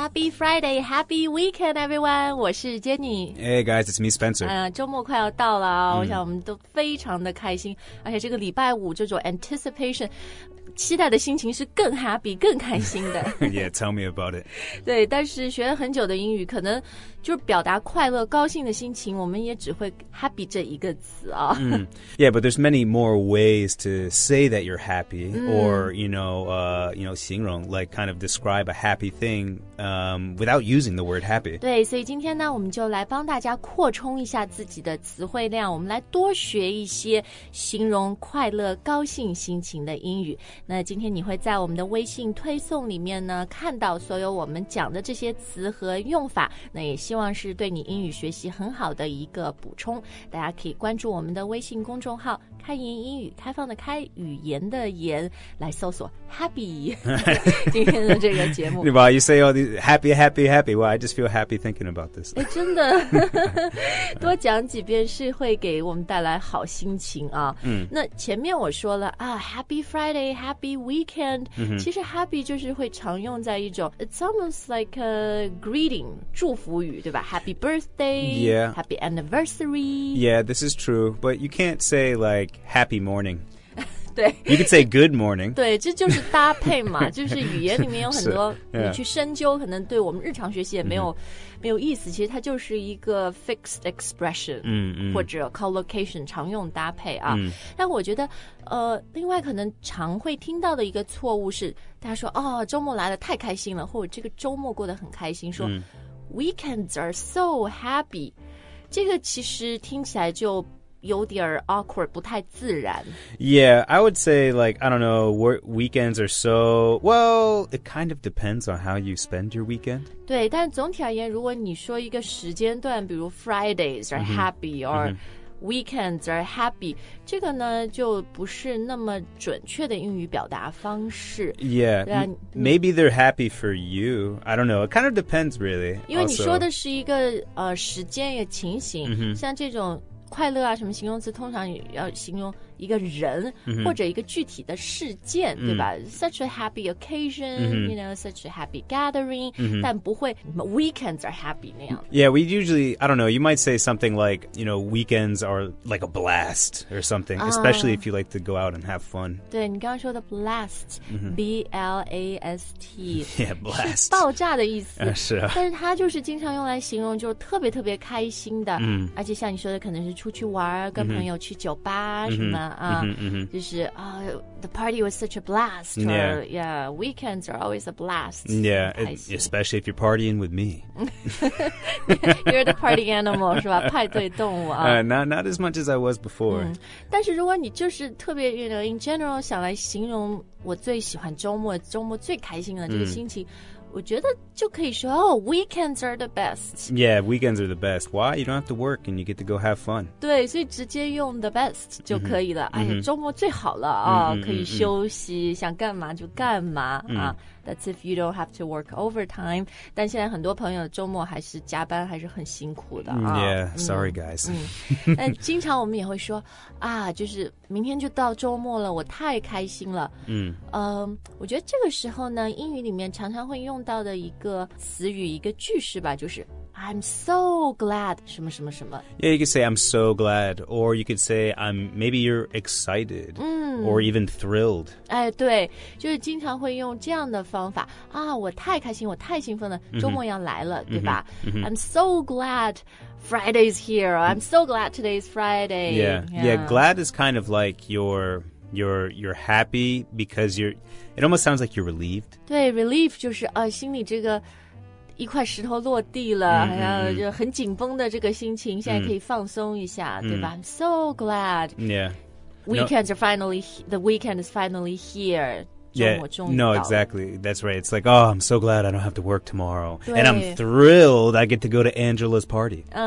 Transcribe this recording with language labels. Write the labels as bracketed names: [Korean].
[English] Friday, Happy Weekend, everyone. [Chinese] 我是 Jenny. [English] Hey, guys, it's me, Spencer. [Chinese] 周末快要到了啊，我想我们都非常的开心，而且这个礼拜五这种 anticipation, 期待的心情是更 happy, 更开心的。 [English] Yeah, tell me about it. [Chinese] 对，但是学了很久的英语，可能就是表达快乐、高兴的心情，我们也只会 happy 这一个词啊。 [English] Yeah, but there's many more ways to say that you're happy, or, you know, 形容, like kind of describe a happy thing. Without using the word happy. [Chinese] 对，所以今天呢，我们就来帮大家扩充一下自己的词汇量，我们来多学一些形容快乐、高兴心情的英语。那今天你会在我们的微信推送里面呢，看到所有我们讲的这些词和用法，那也希望是对你英语学习很好的一个补充。大家可以关注我们的微信公众号开言英语，开放的开，语言的言，来搜索 happy 今天的这个节目。对吧？ [English] You say all these happy, happy, happy. Well, I just feel happy thinking about this. [Chinese] 哎，真的，多讲几遍是会给我们带来好心情啊。那前面我说了啊 ， [English] Happy Friday, Happy Weekend.、 [Chinese] Mm-hmm. 其实 happy 就是会常用在一种 [English] it's almost like a greeting [Chinese] 祝福语，对吧 ？ [English] Happy birthday, yeah. Happy anniversary. Yeah, this is true, but you can't say like happy morning. [Chinese] 对 [English] you could say good morning. [Chinese] 对，这就是搭配嘛，就是语言里面有很多你去深究，可能对我们日常学习也没有、mm-hmm. 没有意思。其实它就是一个 fixed expression、 mm-hmm. 或者 collocation 常用搭配啊。 Mm-hmm. 但我觉得，另外可能常会听到的一个错误是，大家说哦，周末来了太开心了，或者这个周末过得很开心，说、mm-hmm. [English] weekends are so happy。 [Chinese] 这个其实听起来就。有点 awkward, 不太自然。 [English] Yeah, I would say, like, I don't know, weekends are so... Well, it kind of depends on how you spend your weekend. [Chinese] 对，但总体而言，如果你说一个时间段，比如 [English] Fridays are happy, [Chinese] mm-hmm. or mm-hmm. [English] weekends are happy, [Chinese] 这个呢，就不是那么准确的英语表达方式。 [English] Yeah, [Chinese] 对啊, [English] maybe they're happy for you. I don't know, it kind of depends, really. [Chinese] 因为你说的 [English] also. [Chinese] 是一个时间也情形、 mm-hmm. 像这种快乐啊，什么形容词通常要形容一个人、 mm-hmm. 或者一个具体的事件、 mm-hmm. 对吧 [English] such a happy occasion、 mm-hmm. you know such a happy gathering、 mm-hmm. [Chinese] 但不会 [English] weekends are happy [Chinese] 那样 [English] yeah we usually I don't know you might say something like you know weekends are like a blast or something especially if you like to go out and have fun [Chinese] 对你刚刚说的 blast、 mm-hmm. [English] B-L-A-S-T yeah blast [Chinese] 是爆炸的意思是啊但是它就是经常用来形容就特别特别开心的、 mm-hmm. 而且像你说的可能是出去玩跟朋友去酒吧、 mm-hmm. 什么 mm-hmm. [English] 就是 the party was such a blast. Or, yeah. yeah, weekends are always a blast. Yeah, especially if you're partying with me. you're the party animal, 是吧？派对动物啊。 Not as much as I was before. [Chinese] 但是如果你就是特别 [English] you know, in general [Chinese] 想来形容我最喜欢周末最开心的这个心情。 Mm. 我觉得就可以说 [English] Oh, weekends are the best Yeah, weekends are the best Why? You don't have to work And you get to go have fun [Chinese] 对所以直接用 the best 就可以了、 mm-hmm. 哎呀周末最好了、 mm-hmm. 可以休息、mm-hmm. 想干嘛就干嘛、 mm-hmm. 啊 [English] That's if you don't have to work overtime [Chinese] 但现在很多朋友周末还是加班还是很辛苦的、mm-hmm. 啊、 [English] Yeah, sorry guys、 [Chinese] 嗯、但经常我们也会说啊，就是明天就到周末了我太开心了、 mm-hmm. 我觉得这个时候呢英语里面常常会用到的一个词语一个句式吧就是 [English] I'm so glad [Chinese] 什么什么什么 [English] Yeah, you could say I'm so glad Or you could say maybe you're excited、嗯、 Or even thrilled [Chinese] 哎，对就是经常会用这样的方法啊，我太开心我太兴奋了周末要来了、 mm-hmm. 对吧、 mm-hmm. [English] I'm so glad Friday's here I'm so glad today's Friday yeah. Yeah. yeah, glad is kind of like you're happy because it almost sounds like you're relieved. [Chinese] 对 relief 就是、心里这个一块石头落地了、 mm-hmm. 还有就很紧绷的这个心情、mm-hmm. 现在可以放松一下、mm-hmm. 对吧 [English] I'm so glad. Yeah. Weekends are finally, the weekend is finally here. No, exactly. That's right. It's like, oh, I'm so glad I don't have to work tomorrow. And I'm thrilled I get to go to Angela's party.